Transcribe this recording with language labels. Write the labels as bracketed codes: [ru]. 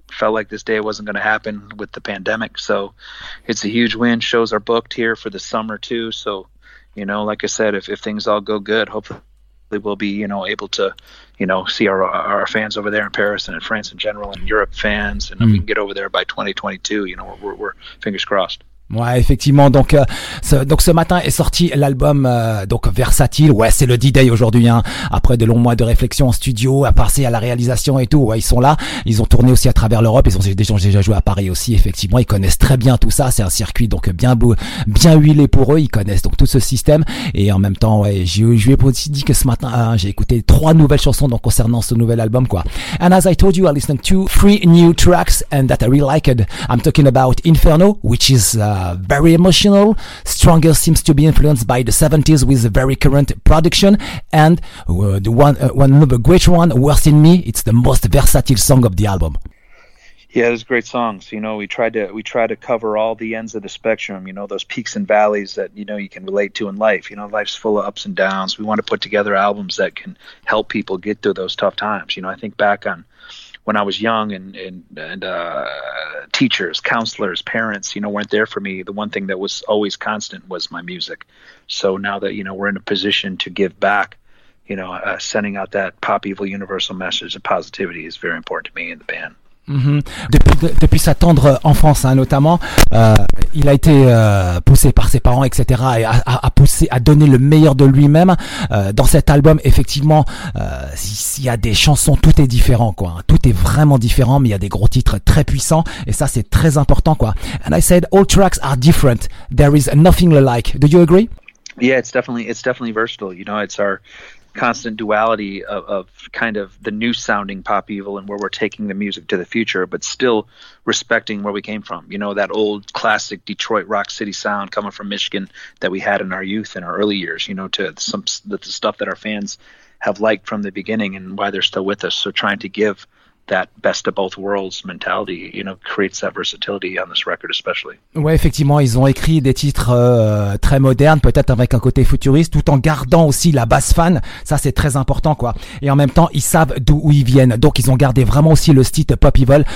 [en] Felt like this day wasn't going to happen with the pandemic, so it's a huge win. Shows are booked here for the summer too, so you know, like I said, if things all go good, hopefully we'll be, you know, able to, you know, see our fans over there in Paris and in France in general, and Europe fans, and we can get over there by 2022. You know, we're fingers crossed. [fr] Ouais, effectivement. Donc ce matin est sorti l'album donc Versatile. Ouais, c'est le D-Day aujourd'hui, hein. Après de longs mois de réflexion en studio, à passer à la réalisation et tout. Ouais, ils sont là. Ils ont tourné aussi à travers l'Europe. Ils ont déjà joué à Paris aussi. Effectivement, ils connaissent très bien tout ça. C'est un circuit donc bien beau, bien huilé pour eux. Ils connaissent donc tout ce système. Et en même temps, ouais, je lui ai aussi dit que ce matin, hein, j'ai écouté trois nouvelles chansons donc concernant ce nouvel album, quoi. [en] And as I told you, I listened to three new tracks and that I really liked. I'm talking about Inferno, which is very emotional. Stronger seems to be influenced by the 70s with a very current production. And the great one, Worse in Me, it's the most versatile song of the album. Yeah, it's a great song. So, you know, we try to cover all the ends of the spectrum, you know, those peaks and valleys that, you know, you can relate to in life. You know, life's full of ups and downs. We want to put together albums that can help people get through those tough times. You know, I think back on when I was young and teachers, counselors, parents, you know, weren't there for me. The one thing that was always constant was my music. So now that, you know, we're in a position to give back, you know, sending out that Pop Evil universal message of positivity is very important to me and the band. Mm-hmm. [fr] Depuis sa tendre enfance, hein, notamment, il a été poussé par ses parents, etc., et a poussé à donner le meilleur de lui-même. Dans cet album, effectivement, s'il y a des chansons, tout est différent, quoi. Hein, tout est vraiment différent, mais il y a des gros titres très puissants, et ça, c'est très important, quoi. [en] And I said, all tracks are different. There is nothing alike. Do you agree? Yeah, it's definitely versatile. You know, it's our constant duality of kind of the new sounding Pop Evil and where we're taking the music to the future, but still respecting where we came from. You know, that old classic Detroit rock city sound coming from Michigan that we had in our youth and our early years, you know, to some the stuff that our fans have liked from the beginning and why they're still with us. So trying to give that best of both worlds mentality, you know, creates that versatility on this record especially. [fr] Ouais, effectivement, ils ont écrit des titres très modernes, peut-être avec un côté futuriste, tout en gardant aussi la base fan. Ça, c'est très important, quoi. Et en même temps, ils savent d'où ils viennent. Donc, ils ont gardé vraiment aussi le style Pop Evil.